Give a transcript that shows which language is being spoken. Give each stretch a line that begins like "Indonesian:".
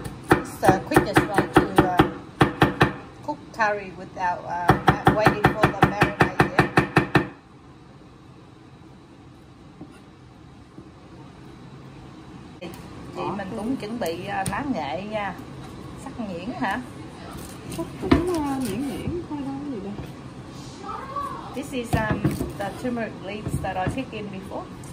English: It's the quickest way to cook curry without waiting for the marinade.
Vietnamese: Thì mình cũng chuẩn bị lá nghệ nha. Sắc nhuyễn hả? Sắc cũng nhuyễn nhuyễn, không có gì đâu.
English: This is the turmeric leaves that I picked in before.